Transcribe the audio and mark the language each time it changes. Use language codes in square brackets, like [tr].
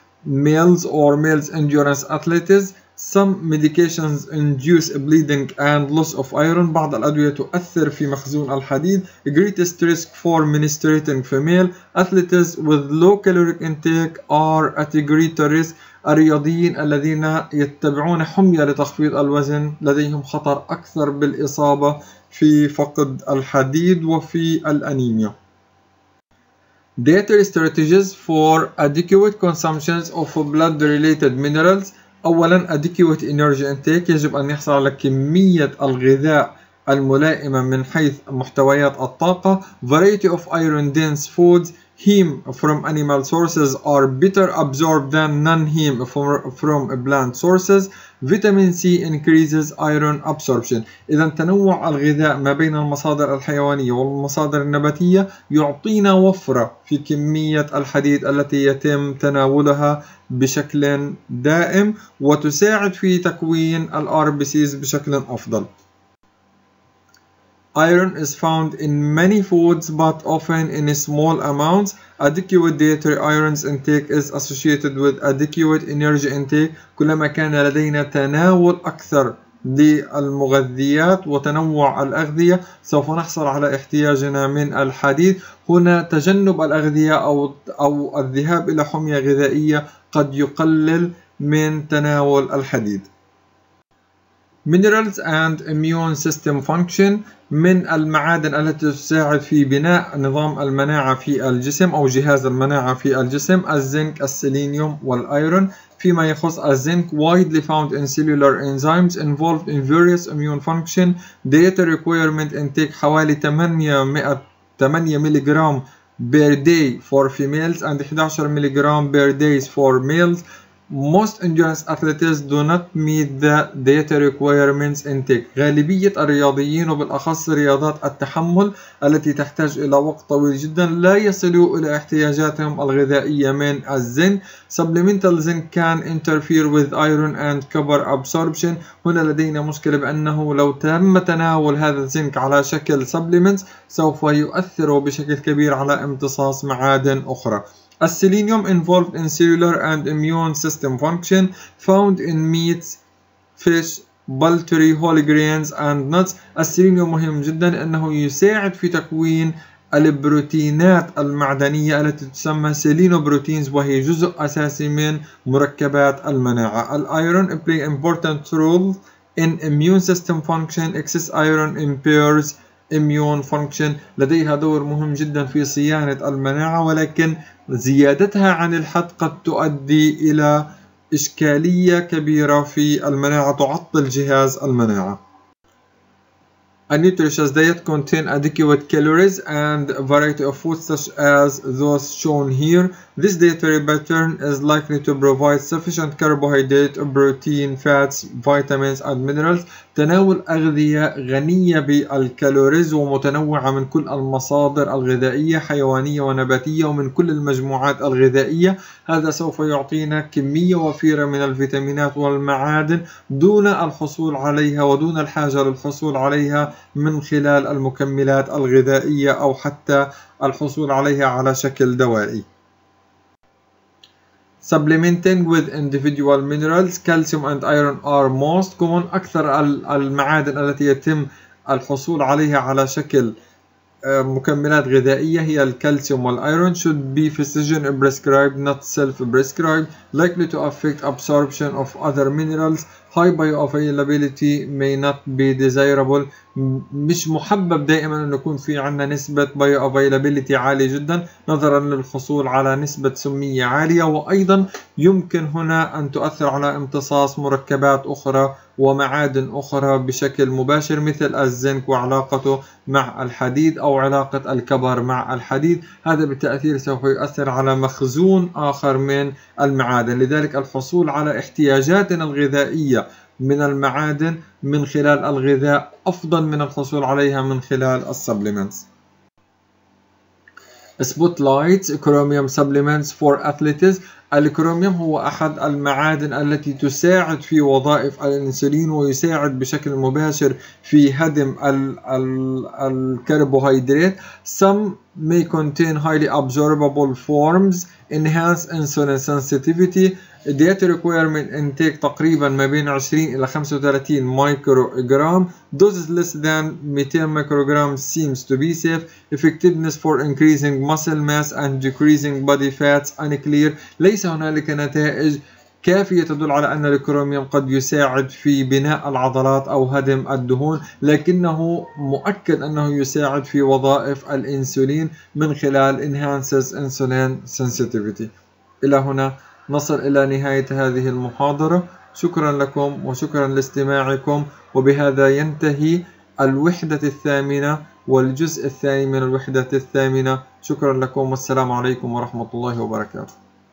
[en] males or males endurance athletes, some medications induce bleeding and loss of iron, [ar] بعض الأدوية تؤثر في مخزون الحديد, [en] greatest risk for menstruating female, athletes with low caloric intake are at greater risk, [ar] الرياضيين الذين يتبعون حمية لتخفيض الوزن لديهم خطر أكثر بالإصابة في فقد الحديد وفي الأنيميا. [en] Dietary strategies for adequate consumptions of blood-related minerals. [ar] أولاً [en] adequate energy intake [ar] يجب أن يحصل على كمية الغذاء الملائمة من حيث محتويات الطاقة. [en] Variety of iron-dense foods. Heme from animal sources are better absorbed than non-heme from plant sources. Vitamin C increases iron absorption. [ar] إذا تنوع الغذاء ما بين المصادر الحيوانية والمصادر النباتية يعطينا وفرة في كمية الحديد التي يتم تناولها بشكل دائم وتساعد في تكوين الـ RBCs بشكل أفضل. [en] Iron is found in many foods but often in small amounts. Adequate dietary iron intake is associated with adequate energy intake. [ar] كلما كان لدينا تناول أكثر للمغذيات وتنوع الأغذية سوف نحصل على احتياجنا من الحديد. هنا تجنب الأغذية أو الذهاب إلى حمية غذائية قد يقلل من تناول الحديد. [en] Minerals and immune system function [ar] من المعادن التي تساعد في بناء نظام المناعة في الجسم أو جهاز المناعة في الجسم الزنك السيلينيوم والأيرون فيما يخص الزنك [en] widely found in cellular enzymes involved in various immune function dietary requirement intake [ar] حوالي [en] 8 ملي جرام per day for females and 11 ملي جرام per day for males Most endurance athletes do not meet the dietary requirements intake. [ar] غالبية الرياضيين وبالأخص رياضات التحمل التي تحتاج إلى وقت طويل جدا لا يصلوا إلى احتياجاتهم الغذائية من الزنك. [en] Supplemental zinc can interfere with iron and copper absorption. [ar] هنا لدينا مشكلة بأنه لو تم تناول هذا الزنك على شكل supplements سوف يؤثر بشكل كبير على امتصاص معادن أخرى. [en] السيلينيوم involved in cellular and immune system function found in meats, fish, poultry, whole grains and nuts. [ar] السيلينيوم مهم جدا لأنه يساعد في تكوين البروتينات المعدنية التي تسمى سيلينوبروتينز وهي جزء أساسي من مركبات المناعة. [en] الأيرون play important role in immune system function. Excess iron impairs immune function. [ar] لديها دور مهم جدا في صيانة المناعة ولكن زيادتها عن الحد قد تؤدي إلى إشكالية كبيرة في المناعة تعطل جهاز المناعة. [en] A nutritious diet contain adequate calories and variety of foods such as those shown here. This dietary pattern is likely to provide sufficient carbohydrate, protein, fats, vitamins and minerals. [ar] تناول أغذية غنية بالكالوريز ومتنوعة من كل المصادر الغذائية حيوانية ونباتية ومن كل المجموعات الغذائية هذا سوف يعطينا كمية وفيرة من الفيتامينات والمعادن دون الحصول عليها ودون الحاجة للحصول عليها من خلال المكملات الغذائية أو حتى الحصول عليها على شكل دوائي. [en] Supplementing with individual minerals, calcium and iron are most common. [ar] أكثر المعادن التي يتم الحصول عليها على شكل مكملات غذائية هي الكالسيوم والايرون. [en] Should be physician prescribed, not self prescribed. Likely to affect absorption of other minerals. High bioavailability may not be desirable. [ar] مش محبب دائما أن يكون في عنا نسبة bioavailability عالية جدا نظرا للحصول على نسبة سمية عالية، وأيضا يمكن هنا أن تؤثر على امتصاص مركبات أخرى ومعادن أخرى بشكل مباشر مثل الزنك وعلاقته مع الحديد أو علاقة الكبر مع الحديد. هذا بالتأثير سوف يؤثر على مخزون آخر من المعادن، لذلك الحصول على احتياجاتنا الغذائية من المعادن من خلال الغذاء أفضل من الحصول عليها من خلال السبليمنتس. [en] Spotlights, chromium supplements for athletes. [ar] الكروميوم هو أحد المعادن التي تساعد في وظائف الإنسولين ويساعد بشكل مباشر في هدم الكربوهيدرات. [en] Some may contain highly absorbable forms, enhance insulin sensitivity. Diet requirement intake [ar] تقريبا ما بين 20 إلى 35 microgram. [en] Doses less than 200 microgram seems to be safe. Effectiveness for increasing muscle mass and decreasing body fats unclear. [ar] ليس هناك نتائج كافية تدل على أن الكروميوم قد يساعد في بناء العضلات أو هدم الدهون، لكنه مؤكد أنه يساعد في وظائف الإنسولين من خلال [en] enhances insulin sensitivity. [ar] إلى هنا نصل إلى نهاية هذه المحاضرة، شكرا لكم وشكرا لاستماعكم، وبهذا ينتهي الوحدة الثامنة والجزء الثاني من الوحدة الثامنة. شكرا لكم والسلام عليكم ورحمة الله وبركاته.